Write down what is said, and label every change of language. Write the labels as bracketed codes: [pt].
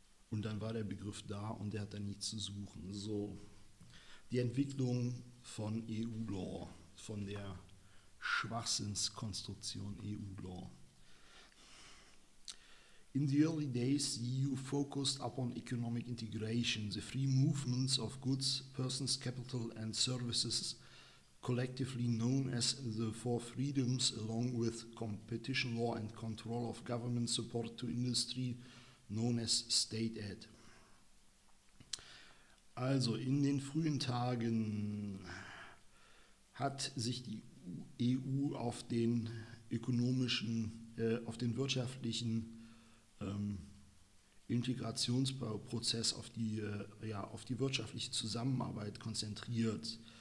[de] Und dann war der Begriff da und der hat da nichts zu suchen. So, die Entwicklung von EU law, von der Schwachsinnskonstruktion EU Law. [en] In the early days, the EU focused upon economic integration. The free movements of goods, persons, capital and services, collectively known as the Four Freedoms, along with competition law and control of government support to industry, known as state aid. [de] Also in den frühen Tagen hat sich die EU auf den ökonomischen, auf den wirtschaftlichen Integrationsprozess, auf die wirtschaftliche Zusammenarbeit konzentriert.